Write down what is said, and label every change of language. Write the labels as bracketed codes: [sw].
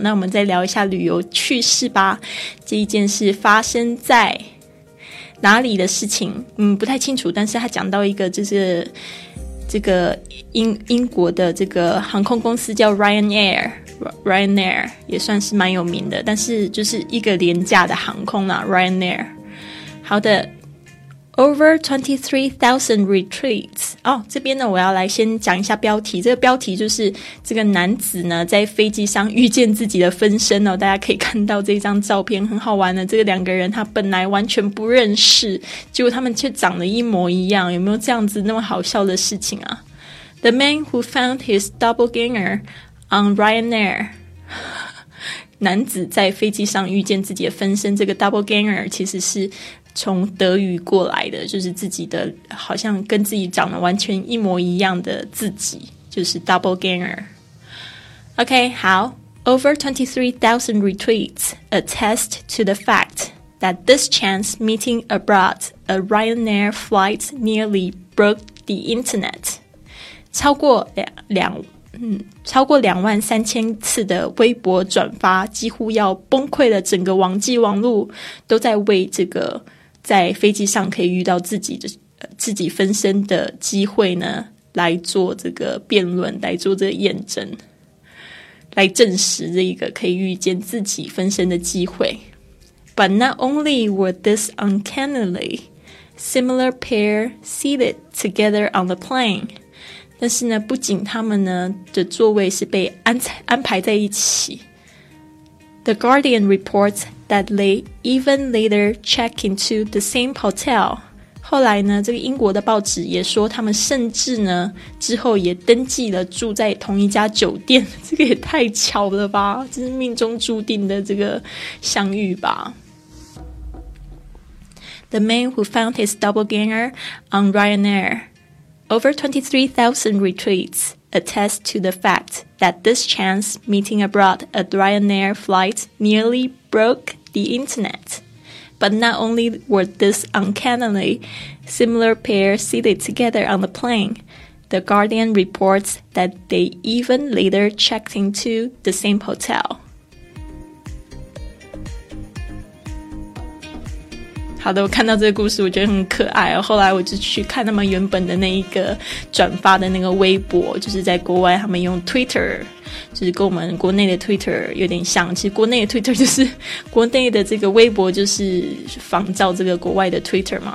[zh] 那我们再聊一下旅游趣事吧。这一件事发生在哪里的事情，不太清楚，但是他讲到一个就是这个 英国的这个航空公司叫 Ryanair 也算是蛮有名的，但是就是一个廉价的航空啦， Ryanair。 [en] 好的， Over 23,000 retreats。 [zh] 哦，这边呢我要来先讲一下标题，这个标题就是这个男子呢在飞机上遇见自己的分身哦。大家可以看到这张照片很好玩的，这个两个人他本来完全不认识，结果他们却长得一模一样，有没有这样子那么好笑的事情啊。 [en] The man who found his doppelgangeron Ryanair， [zh] 男子在飞机上遇见自己的分身。这个 doppelganger 其实是从德语过来的，就是自己的好像跟自己长得完全一模一样的自己，就是 doppelganger。 [en] OK， 好， Over 23,000 retweets attest to the fact that this chance meeting abroad a Ryanair flight nearly broke the internet。 [zh] 超过23,000次的微博转发，几乎要崩溃了，整个网际网络都在为这个在飞机上可以遇到自己分身的机会呢来做这个辩论，来做这个验证，来证实这个可以遇见自己分身的机会。 [en] But not only were this uncannily similar pair seated together on the plane， [zh] 但是呢不仅他们呢的座位是被 安排在一起。 [en] The Guardian reports that they even later check into the same hotel [zh] 后来呢，这个英国的报纸也说他们甚至呢之后也登记了住在同一家酒店，这个也太巧了吧，这是命中注定的这个相遇吧。 [en] The man who found his doppelganger on Ryanair. Over 23,000 retweets attest to the fact that this chance meeting abroad a Ryanair flight nearly broke the internet. But not only were this uncannily similar pair seated together on the plane, The Guardian reports that they even later checked into the same hotel. [zh] 好的，我看到这个故事我觉得很可爱哦。后来我就去看他们原本的那一个转发的那个微博，就是在国外他们用 Twitter， 就是跟我们国内的 Twitter 有点像。其实国内的 Twitter 就是国内的这个微博就是仿照这个国外的 Twitter 嘛。